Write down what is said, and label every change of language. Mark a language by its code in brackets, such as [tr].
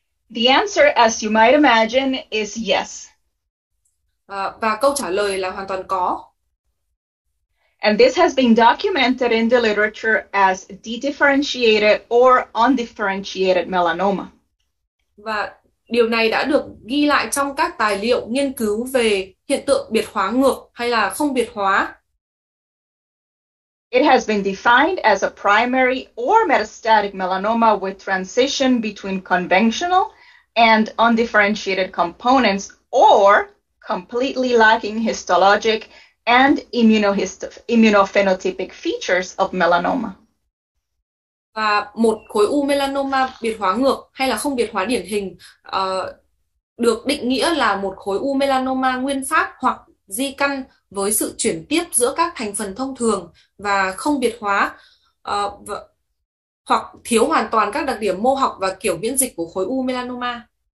[en] The answer, as you might imagine, is yes. [vi] Và câu trả lời là hoàn toàn có. [en] And this has been documented in the literature as dedifferentiated or undifferentiated melanoma. [vi] Và điều này đã được ghi lại trong các tài liệu nghiên cứu về hiện tượng biệt hóa ngược hay là không biệt hóa. [en] It has been defined as a primary or metastatic melanoma with transition between conventional and undifferentiated components, or completely lacking histologic and immunophenotypic features of melanoma. [vi] Và một khối u melanoma biệt hóa ngược hay là không biệt hóa điển hình được định nghĩa là một khối u melanoma nguyên phát hoặc di căn với sự chuyển tiếp giữa các thành phần thông thường và không biệt hóa hoặc thiếu hoàn toàn các đặc điểm mô học và kiểu miễn dịch của khối u melanoma.